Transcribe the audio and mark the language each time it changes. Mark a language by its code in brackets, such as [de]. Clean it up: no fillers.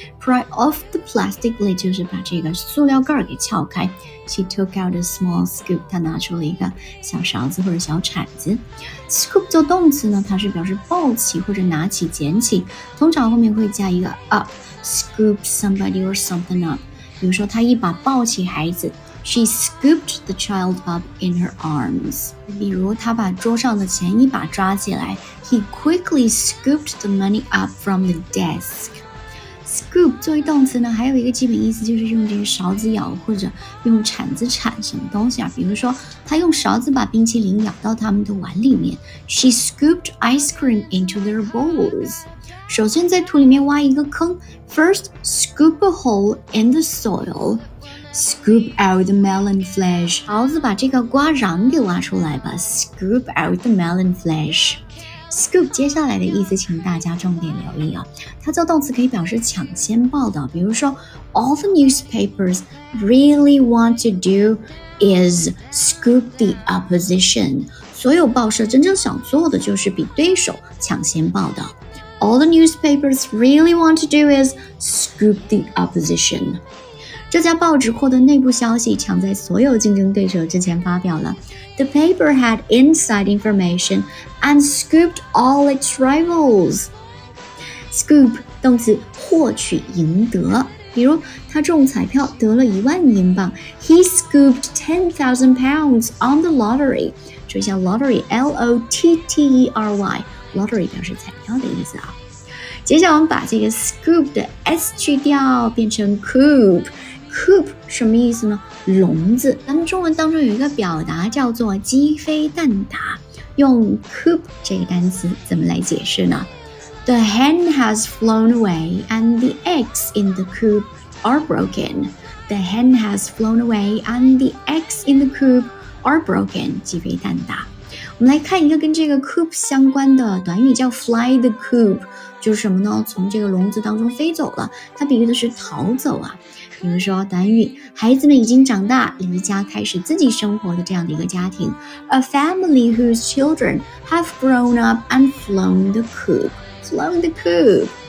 [en] Pry off the plastic lid [zh] 就是把这个塑料盖给撬开。 [en] She took out a small scoop, [zh] 她拿出了一个小勺子或者小铲子。 Scoop 做动词呢，它是表示抱起或者拿起、捡起，通常后面会加一个 up, [en] scoop somebody or something up。 [zh] 比如说她一把抱起孩子 , [en] She scooped the child up in her arms。 [zh] 比如她把桌上的钱一把抓起来 [en] He quickly scooped the money up from the desk. [zh] Scoop 作为动词呢，还有一个基本意思就是用这个勺子舀或者用铲子铲什么东西啊。比如说，他用勺子把冰淇淋舀到他们的碗里面。 [en] She scooped ice cream into their bowls. [zh] 首先在土里面挖一个坑。 [en] First, scoop a hole in the soil. Scoop out the melon flesh. [zh] 勺子把这个瓜瓤给挖出来吧。 [en] Scoop out the melon flesh. [zh] Scoop 接下来的意思请大家重点留意啊，它做动词可以表示抢先报道，比如说 [en] All the newspapers really want to do is scoop the opposition [zh] 所有报社真正想做的就是比对手抢先报道 [en] All the newspapers really want to do is scoop the opposition [zh] 这家报纸获得内部消息抢在所有竞争对手之前发表了 [en] The paper had inside information and scooped all its rivals. [zh] Scoop, 动词获取赢得。比如他中彩票得了10,000英镑。 [en] He scooped £10,000 on the lottery. [zh] 注意一下 lottery, L-O-T-T-E-R-Y. Lottery 表示彩票的意思啊。接下来我们把这个 scoop 的 S 去掉变成 coop. Coop 什么意思呢？笼子。咱们中文当中有一个表达叫做鸡飞蛋打，用 coop 这个单词怎么来解释呢 ？ [en] The hen has flown away and the eggs in the coop are broken. The hen has flown away and the eggs in the coop are broken. [zh] 鸡飞蛋打。我们来看一个跟这个 coop 相关的短语，叫 fly the coop， 就是什么呢？从这个笼子当中飞走了，它比喻的是逃走啊。比如说短语孩子们已经长大离家开始自己生活的这样的一个家庭 [en] A family whose children have grown up and flown the coop [zh] Flown the coop